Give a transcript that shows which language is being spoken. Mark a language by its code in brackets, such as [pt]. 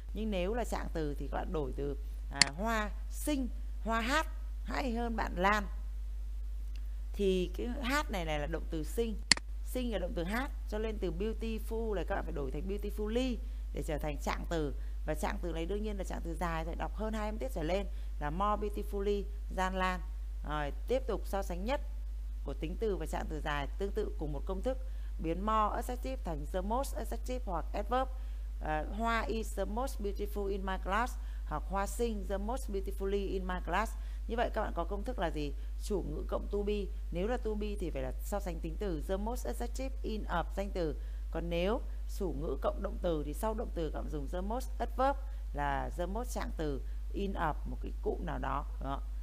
[vi] Nhưng nếu là trạng từ thì các bạn đổi từ hoa xinh, hoa hát hay hơn bạn Lan, thì cái hát này này là động từ xinh, sinh là động từ hát, cho nên từ beautiful là các bạn phải đổi thành beautifully để trở thành trạng từ. Và trạng từ này đương nhiên là trạng từ dài, phải đọc hơn hai âm tiết trở lên, là [en] more beautifully than Lan. [vi] Rồi tiếp tục so sánh nhất của tính từ và trạng từ dài, tương tự cùng một công thức, biến more adjective thành [en] the most adjective [vi] hoặc adverb. [en] Hoa is the most beautiful in my class, [vi] hoặc hoa xinh [en] the most beautifully in my class. [vi] Như vậy các bạn có công thức là gì? Chủ ngữ cộng to be. Nếu là to be thì phải là so sánh tính từ, [en] the most adjective in of [vi] danh từ. Còn nếu chủ ngữ cộng động từ thì sau động từ các bạn dùng [en] the most adverb, [vi] là the most trạng từ in of một cái cụm nào đó. Đó.